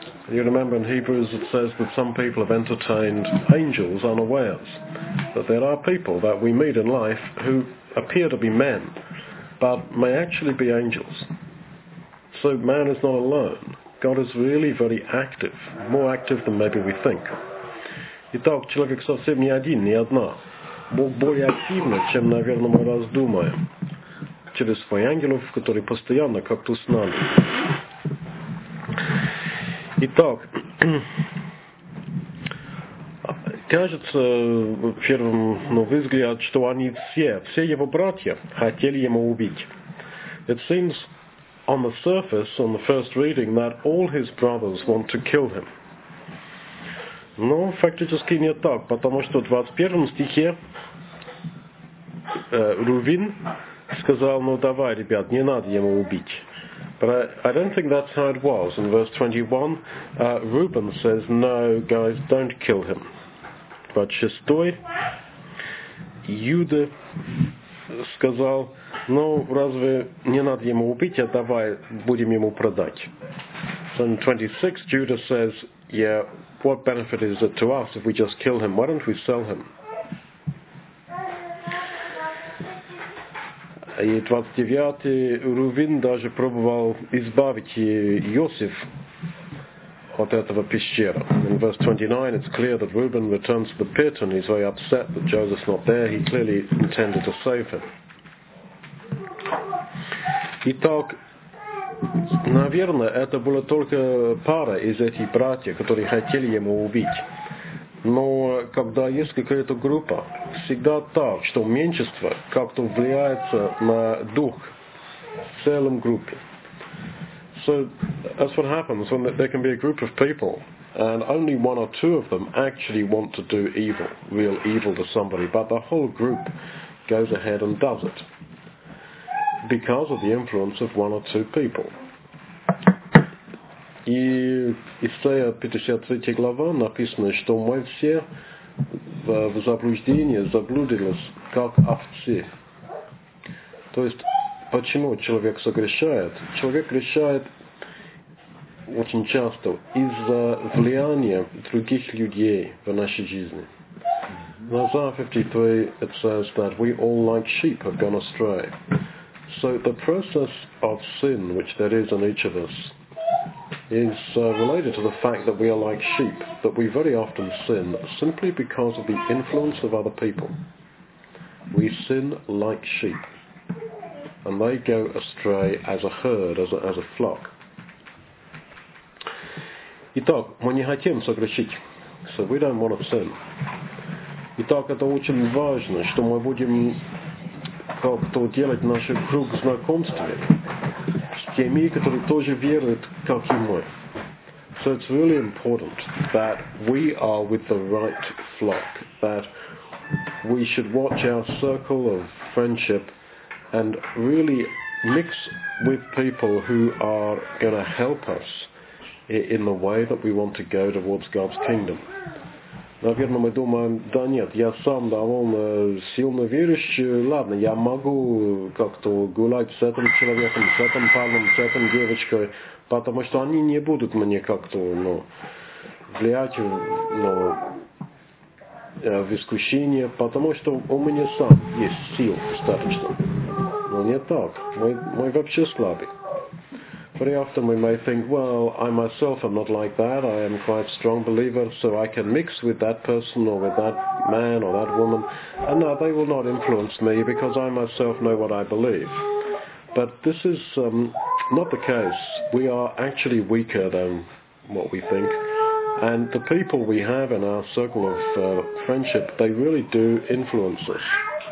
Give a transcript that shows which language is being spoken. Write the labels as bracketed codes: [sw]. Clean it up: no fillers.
[en] You remember in Hebrews it says that some people have entertained angels unawares, that there are people that we meet in life who appear to be men, but may actually be angels. So man is not alone. God is really very active, more active than maybe we think. [ru] Итак, человек совсем не один, не одна. Бог более активен, чем, наверное, мы раздумаем, через своих ангелов, которые постоянно как-то с нами. Итак, кажется, первым, ну, взгляд, что они все его братья, хотели ему убить. [en] It seems on the surface, on the first reading, that all his brothers want to kill him. [ru] Но фактически не так, потому что в 21 стихе Рувин сказал, ну давай, ребят, не надо ему убить. [en] But I don't think that's how it was. In verse 21, Reuben says, no, guys, don't kill him. [ru] But 6, Юда сказал, ну разве не надо ему убить, а давай будем ему продать. [en] So in 26, Judah says, yeah, what benefit is it to us if we just kill him? Why don't we sell him? [ru] И 29-й Рувин даже пробовал избавить Иосиф от этого пещера. [en] In verse 29, it's clear that Reuben returns to the pit and he's very upset that Joseph's not there. He clearly intended to save him. [ru] Итак, наверное, это была только пара из этих братьев, которые хотели ему убить. Но когда есть какая-то группа, всегда так, что меньшинство как-то влияется на дух в целом группе. [en] So that's what happens when there can be a group of people and only one or two of them actually want to do evil, real evil to somebody, but the whole group goes ahead and does it because of the influence of one or two people. [ru] И Исайя 53 глава написано, что мы все в заблуждение заблудились, как овцы. То есть, почему человек согрешает? Человек грешает очень часто из-за влияния других людей в нашей жизни. [en] In Isaiah 53, it says that we all like sheep have gone astray. So the process of sin, which there is in each of us, is related to the fact that we are like sheep, that we very often sin simply because of the influence of other people. We sin like sheep. And they go astray as a herd, as a flock. [ru] Итак, мы не хотим согрешить. [en] So we don't want to sin. [ru] Итак, это очень важно, что мы будем как-то делать наш круг знакомств с теми, которые тоже верят, как и мы. [en] So it's really important that we are with the right flock, that we should watch our circle of friendship and really mix with people who are going to help us in the way that we want to go towards God's kingdom. [ru] Наверное, мы думаем, да нет, я сам довольно сильно верующий, ладно, я могу как-то гулять с этим человеком, с этим парнем, с этим девочкой, потому что они не будут мне как-то, ну, влиять, ну, в искушение, потому что у меня сам есть сил достаточно. Но не так, мы вообще слабы. [en] Very often we may think, well, I myself am not like that, I am quite a strong believer, so I can mix with that person or with that man or that woman, and no, they will not influence me because I myself know what I believe. But this is not the case. We are actually weaker than what we think, and the people we have in our circle of friendship, they really do influence us.